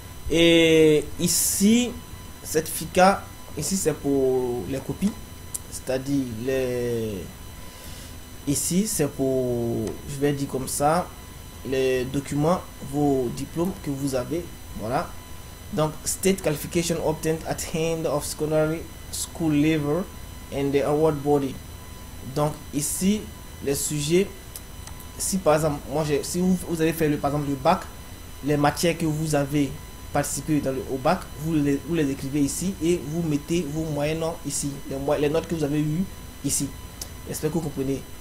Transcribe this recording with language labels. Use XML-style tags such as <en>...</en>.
<fr>Et ici, certificat, ici c'est pour les copies, c'est-à-dire les. Ici c'est pour, je vais dire comme ça, les documents, vos diplômes que vous avez. Voilà.</fr> <en>Donc, state qualification obtained at hand of secondary school level and the award body.</en> <fr>Donc, ici, les sujets, si par exemple, moi j'ai, si vous avez fait le, par exemple, le bac, les matières que vous avez participer dans au bac, vous les écrivez ici et vous mettez vos moyens noms ici, les notes que vous avez eues ici. J'espère que vous comprenez.</fr>